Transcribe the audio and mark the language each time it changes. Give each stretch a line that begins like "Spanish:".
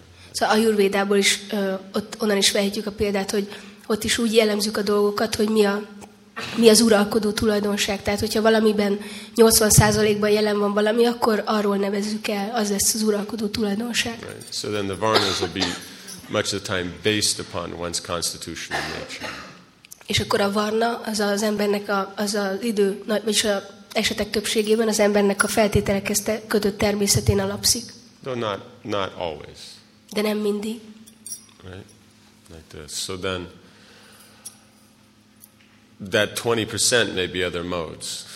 Hungarian: Szóval Ayurvédából is ott onnan is vehetjük a példát, hogy ott is úgy jellemzük a dolgokat, hogy mi az uralkodó tulajdonság. Tehát, hogyha valamiben 80%-ban jelen van valami, akkor arról nevezzük el, az lesz az uralkodó tulajdonság.
English: Right. So then the varnas will be much of the time based upon one's constitutional nature.
Hungarian: És akkor a varna az az embernek a, az az idő, vagyis az esetek többségében az embernek a feltételekhez kötött természetén alapszik.
English: Not always.
Hungarian: De nem mindig.
English: Right? Like this. So then, that 20% may be other modes.